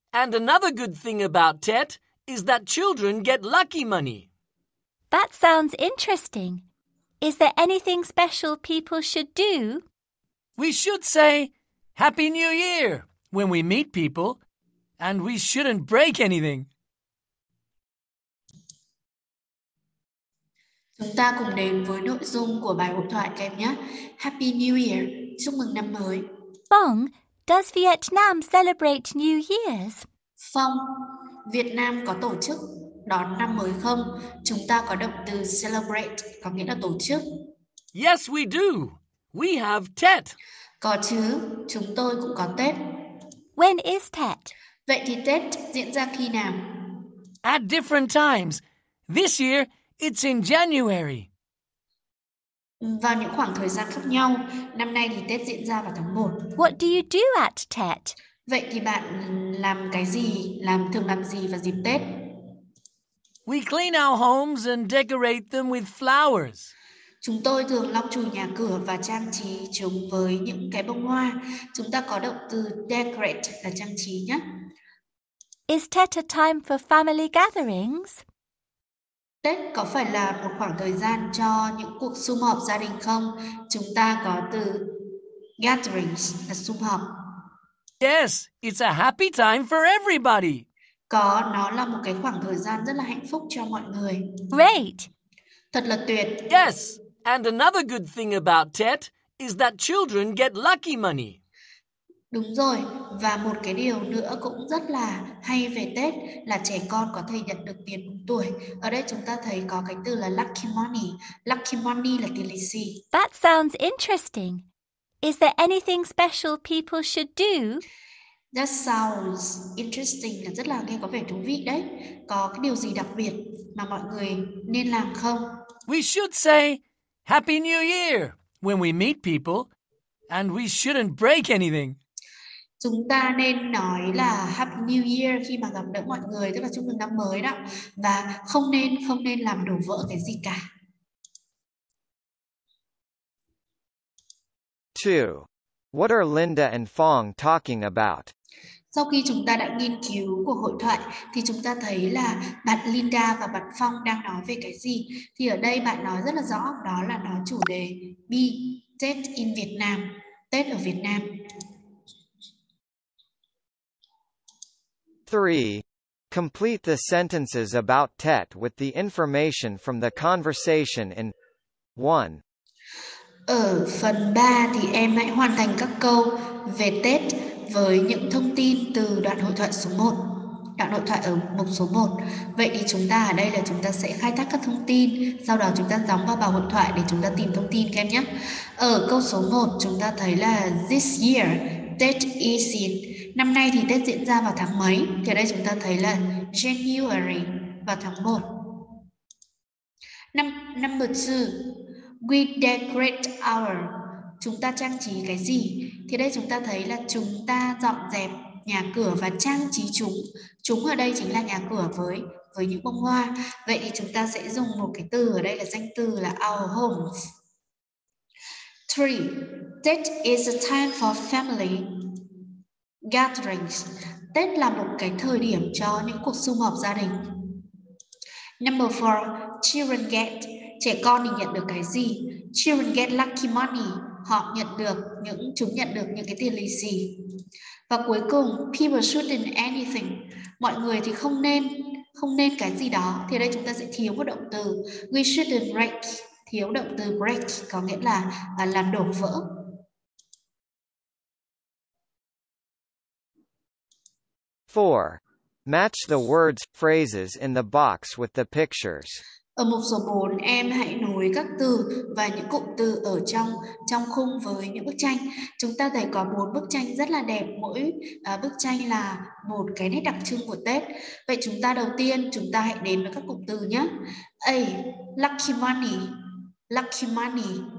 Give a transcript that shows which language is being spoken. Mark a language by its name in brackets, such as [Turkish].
[English] And another good thing about Tet is that children get lucky money. That sounds interesting. Is there anything special people should do? We should say Happy New Year when we meet people, and we shouldn't break anything. [Vietnamese] Chúng ta cùng đến với nội dung của bài hội thoại kèm nhé. [English] Happy New Year, [Vietnamese] chúc mừng năm mới. [English] Bong, does Vietnam celebrate New Year's? [Vietnamese] Phong, Việt Nam có tổ chức đón năm mới không? Chúng ta có động từ celebrate, có nghĩa là tổ chức. [English] Yes, we do. We have Tet. [Vietnamese] Có chứ, chúng tôi cũng có Tết. [English] When is Tet? [Vietnamese] Vậy thì Tết diễn ra khi nào? [English] At different times. This year, it's in January. [Vietnamese] Vào những khoảng thời gian khác nhau. Năm nay thì Tết diễn ra vào tháng 1. [English] What do you do at Tet? [Vietnamese] Vậy thì bạn làm cái gì, làm thường làm gì vào dịp Tết? [English] We clean our homes and decorate them with flowers. [Vietnamese] Chúng tôi thường lau chùi nhà cửa và trang trí chúng với những cái bông hoa. Chúng ta có động từ decorate là trang trí nhé. [English] Is Tet a time for family gatherings? [Vietnamese] Tết có phải là một khoảng thời gian cho những cuộc sum họp gia đình không? Chúng ta có từ gatherings là sum họp. [English] Yes, it's a happy time for everybody. [Vietnamese] Có, nó là một cái khoảng thời gian rất là hạnh phúc cho mọi người. [English] Great. [Vietnamese] Thật là tuyệt. [English] Yes, and another good thing about Tet is that children get lucky money. [Vietnamese] Đúng rồi, và một cái điều nữa cũng rất là hay về Tết là trẻ con có thể nhận được tiền đúng tuổi. Ở đây chúng ta thấy có cái từ là lucky money. Lucky money là tiền lì xì. [English] That sounds interesting. Is there anything special people should do? That sounds interesting. [Vietnamese] Rất là nghe có vẻ thú vị đấy. Có cái điều gì đặc biệt mà mọi người nên làm không? [English] We should say Happy New Year when we meet people, and we shouldn't break anything. [Vietnamese] Chúng ta nên nói là [English] Happy New Year [Vietnamese] khi mà gặp được mọi người, tức là chúc mừng năm mới đó, và không nên làm đổ vỡ cái gì cả. [English] 2. What are Linda and Phong talking about? [Vietnamese] Sau khi chúng ta đã nghiên cứu của hội thoại thì chúng ta thấy là bạn Linda và bạn Phong đang nói về cái gì? Thì ở đây bạn nói rất là rõ, đó là nói chủ đề [English] Be Tết in Việt Nam, [Vietnamese] Tết ở Việt Nam. [English] 3. Complete the sentences about Tet with the information from the conversation in 1. [Vietnamese] Ở phần 3 thì em hãy hoàn thành các câu về Tết với những thông tin từ đoạn hội thoại số 1. Đoạn hội thoại ở mục số 1. Vậy thì chúng ta ở đây là chúng ta sẽ khai thác các thông tin, sau đó chúng ta đóng vào bài hội thoại để chúng ta tìm thông tin kèm nhé. Ở câu số 1 chúng ta thấy là [English] This year, Tết is in. [Vietnamese] Năm nay thì Tết diễn ra vào tháng mấy? Thì ở đây chúng ta thấy là January, vào tháng 1. [English] Number 2, we decorate our. [Vietnamese] Chúng ta trang trí cái gì? Thì đây chúng ta thấy là chúng ta dọn dẹp nhà cửa và trang trí chúng. Chúng ở đây chính là nhà cửa với những bông hoa. Vậy thì chúng ta sẽ dùng một cái từ ở đây là danh từ là [English] our homes. 3. Tết is a time for family gatherings. [Vietnamese] Tết là một cái thời điểm cho những cuộc sum họp gia đình. [English] Number 4. Children get. [Vietnamese] Trẻ con thì nhận được cái gì? [English] Children get lucky money. [Vietnamese] Họ nhận được những cái tiền lì xì. Và cuối cùng, [English] people shouldn't anything. [Vietnamese] Mọi người thì không nên cái gì đó. Thì ở đây chúng ta sẽ thiếu một động từ. [English] We shouldn't break. [Vietnamese] Thiếu động từ break có nghĩa là làm đổ vỡ. [English] Four. Match the words, phrases in the box with the pictures. [Vietnamese] Ở mục số 4, em hãy nối các từ và những cụm từ ở trong khung với những bức tranh. Chúng ta thấy có 4 bức tranh rất là đẹp. Mỗi bức tranh là một cái nét đặc trưng của Tết. Vậy chúng ta đầu tiên, chúng ta hãy đến với các cụm từ nhé. A. [English] Lucky money. Lucky money.